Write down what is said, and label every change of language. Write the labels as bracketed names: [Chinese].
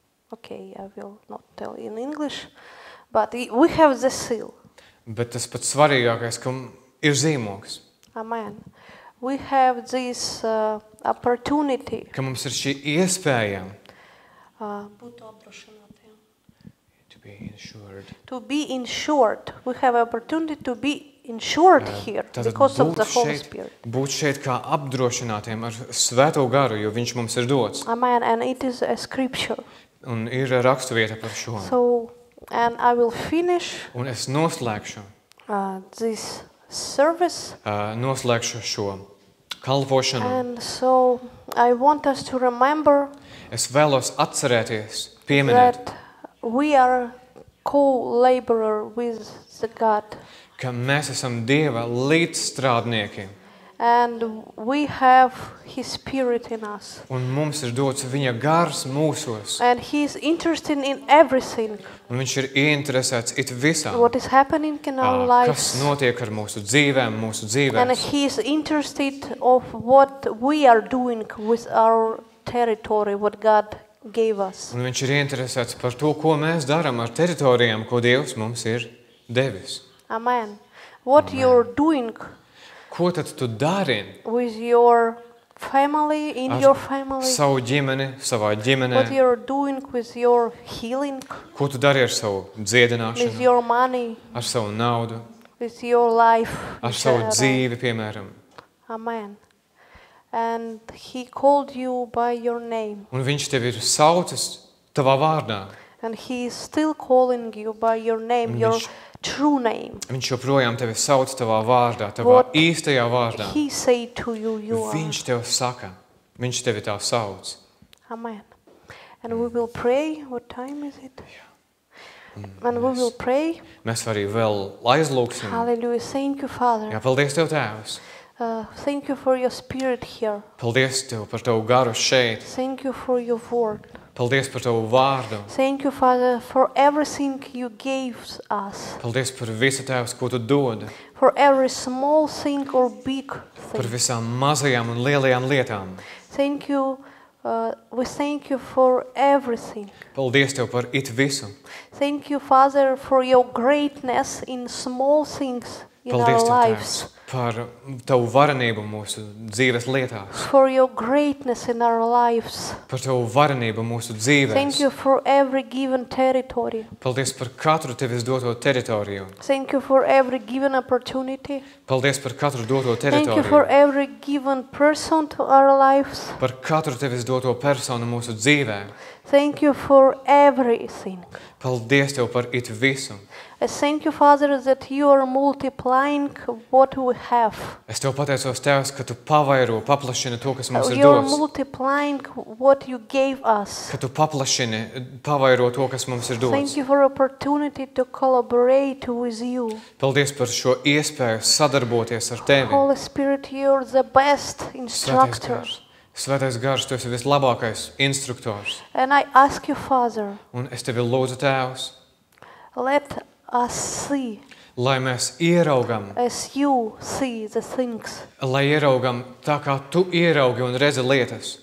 [English] Okay, I will not tell in English. But we have the seal. [Latvian] Bet tas pats svarīgākais, ka ir zīmogs. [English] Amen. We have this opportunity. [Latvian] Ka mums ir šī iespēja. Būt apdrošinātiem. [English] To be insured. To be insured. We have opportunity to be insured here because of the Holy Spirit. [Latvian] Būt šeit kā apdrošinātiem ar Svēto Garu, jo viņš mums ir dots. [English] Amen. And it is a scripture. [Latvian] Un ir raksturvieta par šo. [English] So, and I will finish. [Latvian] Un es noslēgšu. [English] This service. [Latvian] Noslēgšu šo kalpošanu. [English] And so I want us to remember. [Latvian] Es vēlos atcerēties, pieminēt. [English] That we are co-laborer with the God. [Latvian] Ka mēs esam Dieva līdzstrādnieki. [English] And we have his spirit in us. [Latvian] Un mums ir dots viņa gars mūsos. [English] And he is interested in everything. [Latvian] Un viņš ir ieinteresēts it visā. [English] What is happening in our lives. [Latvian] Kas notiek ar mūsu dzīvēm, mūsu dzīvēs. [English] And he is interested of what we are doing with our territory, what God gave us. [Latvian] Un viņš ir ieinteresēts par to, ko mēs daram ar teritorijām, ko Dievs mums ir devis. [English] Amen. What Amen. You're doing. [Latvian] Ko tad tu dari? [English] With your family, in your family. [Latvian] Savu ģimeni, savā ģimenē. [English] What you're doing with your healing. [Latvian] Ko tu dari ar savu dziedināšanu? [English] With your money. [Latvian] Ar savu naudu. [English] With your life. [Latvian] Ar savu dzīvi, piemēram. [English] Amen. And he called you by your name. [Latvian] Un viņš tevi ir saucis tavā vārdā. [English] And he is still calling you by your name, your true name. [Latvian] Viņš joprojām tevi sauc tavā vārdā, tavā [English] What [Latvian] īstajā vārdā. [English] He say to you, you are. [Latvian] Viņš tev saka, viņš tevi tā sauc. [English] Amen. And we will pray. What time is it? Yeah. And we will pray. [Latvian] Mēs arī vēl aizlūksim. [English] Hallelujah. Thank you, Father. [Latvian] Jā, paldies tev, Tēvs. [English] Thank you for your spirit here. [Latvian] Paldies tev par tavu garu šeit. [English] Thank you for your word. [Latvian] Paldies par tavu vārdu. [English] Thank you, Father, for everything you gave us. [Latvian] Paldies par visu, Tēvs, ko tu dod. [English] For every small thing or big thing. [Latvian] Par visām mazajām un lielajām lietām. [English] Thank you, we thank you for everything. [Latvian] Paldies tev par it visu. [English] Thank you, Father, for your greatness in small things in [Latvian] Paldies [English] our [Latvian] tev, [English] lives. [Latvian] Tēvs. Par tavu varenību mūsu dzīves lietās. [English] For your greatness in our lives. [Latvian] Par tavu varenību mūsu dzīves. [English] Thank you for every given territory. [Latvian] Paldies par katru tevis doto teritoriju. [English] Thank you for every given opportunity. [Latvian] Paldies par katru doto teritoriju. [English] Thank you for every given person to our lives. [Latvian] Par katru tevis doto personu mūsu dzīvē. [English] Thank you for everything. [Latvian] Paldies tev par it visu. [English] I thank you, Father, that you are multiplying what we have. [Latvian] Es tev pateicos, Tēvs, ka tu pavairo, paplašini to, kas mums ir dots. [English] You are multiplying what you gave us. [Latvian] Ka tu paplašini, pavairo to, kas mums ir dots. [English] Thank you for opportunity to collaborate with you. [Latvian] Paldies par šo iespēju sadarboties ar Tevi. [English] Holy Spirit, you are the best instructor. [Latvian] Svētais Gars, tu esi vislabākais instruktors. [English] And I ask you, Father. [Latvian] Un es tevi lūdzu, Tēvs. [English] Let us see. [Latvian] Lai mēs ieraugam. [English] As you see the things. [Latvian] Lai ieraugam tā kā tu ieraugi un redzi lietas.